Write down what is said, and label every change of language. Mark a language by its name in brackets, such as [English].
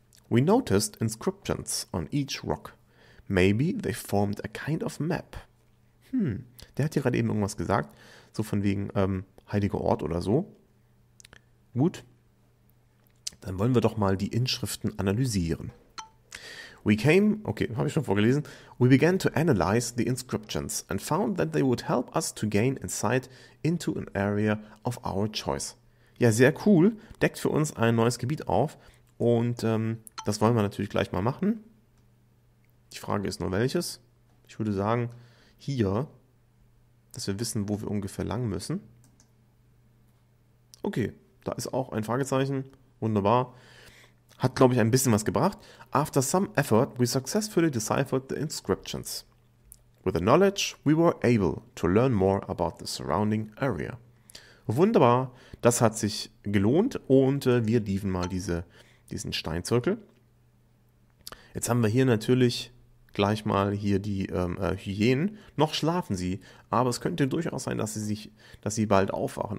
[English] We noticed inscriptions on each rock. Maybe they formed a kind of map. [German] Hm, der hat hier gerade eben irgendwas gesagt. So von wegen heiliger Ort oder so. Gut. Dann wollen wir doch mal die Inschriften analysieren. [English] We came, [German] okay, habe ich schon vorgelesen. [English] We began to analyze the inscriptions and found that they would help us to gain insight into an area of our choice. [German] Ja, sehr cool. Deckt für uns ein neues Gebiet auf. Und das wollen wir natürlich gleich mal machen. Die Frage ist nur, welches? Ich würde sagen, hier, dass wir wissen, wo wir ungefähr lang müssen. Okay, da ist auch ein Fragezeichen. Wunderbar. Hat, glaube ich, ein bisschen was gebracht. [English] After some effort, we successfully deciphered the inscriptions. With the knowledge, we were able to learn more about the surrounding area. [German] Wunderbar, das hat sich gelohnt und wir liefen mal diesen Steinzirkel. Jetzt haben wir hier natürlich gleich mal hier die Hyänen. Noch schlafen sie, aber es könnte durchaus sein, dass sie bald aufwachen.